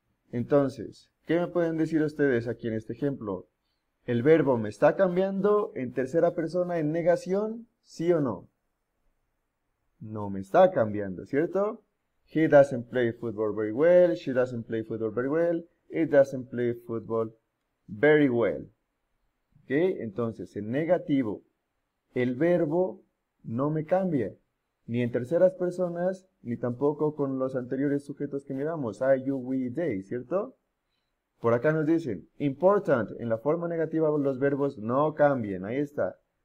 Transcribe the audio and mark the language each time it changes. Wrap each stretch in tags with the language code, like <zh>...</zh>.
<es>Entonces, ¿qué me pueden decir ustedes aquí en este ejemplo? ¿El verbo me está cambiando en tercera persona en negación? ¿Sí o no? No me está cambiando, ¿cierto?</es> <en>He doesn't play football very well. She doesn't play football very well. It doesn't play football very well.</en> <es>¿Ok? Entonces, en negativo, el verbo no me cambia. Ni en terceras personas, ni tampoco con los anteriores sujetos que miramos. I, you, we, they, ¿cierto? Por acá nos dicen, important, en la forma negativa los verbos no cambien. Ahí está.</es>